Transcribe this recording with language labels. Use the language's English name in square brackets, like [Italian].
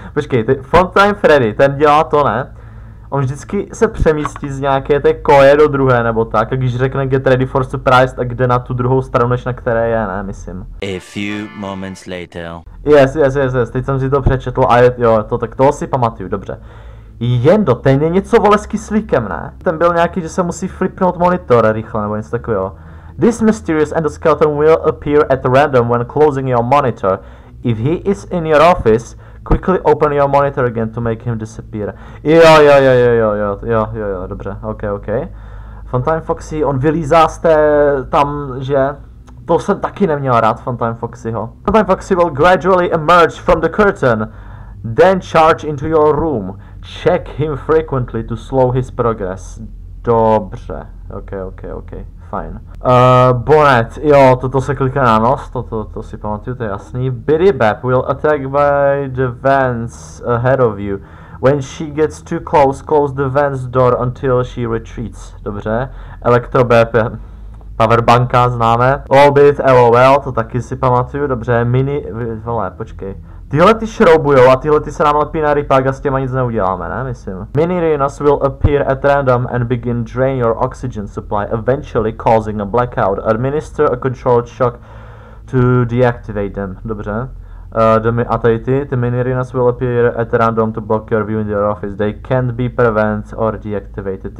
[Czech] Počkej, Funtime Freddy, ten dělá to, ne? On vždycky se přemístí z nějaké té koje do druhé nebo tak, když řekne [English] get ready for surprise, [Czech] tak jde na tu druhou stranu, než na které je, ne, myslím. [English] A few moments later. Yes, [Czech] teď jsem si to přečetl a jo, to tak toho si pamatuju, dobře. Jendo, ten je něco vole s kyslíkem, ne? Ten byl nějaký, že se musí flipnout monitor rychle, nebo něco takového. [English] This mysterious endoskeleton will appear at random when closing your monitor. If he is in your office, quickly open your monitor again to make him disappear. [Czech] Jo, dobře, ok. Funtime Foxy, on vylízá z té tam, že... To jsem taky neměl rád, Funtime Foxyho. [English] Funtime Foxy will gradually emerge from the curtain, then charge into your room. Check him frequently to slow his progress. [Czech] Dobře. Ok, fajn. Bonnet, jo, toto se kliká na nos, to si pamatuju, to je jasný. [English] Biddy Bap will attack by the vents ahead of you. When she gets too close, close the vents door until she retreats. [Czech] Dobře. Electrobap, powerbanka známe. Lolbit, LOL, to taky si pamatuju, dobře. Mini, vole, počkej. Tyhle ty šroubujo a tyhle ty se nám lepí na rypák a s těma nic neuděláme, ne, myslím. [English] Mini Rhinos will appear at random and begin drain your oxygen supply, eventually causing a blackout. Administer a controlled shock to deactivate them. [Czech] Dobře. A tady ty [English] Mini Rhinos will appear at random to block your view in your office. They can't be prevented or deactivated.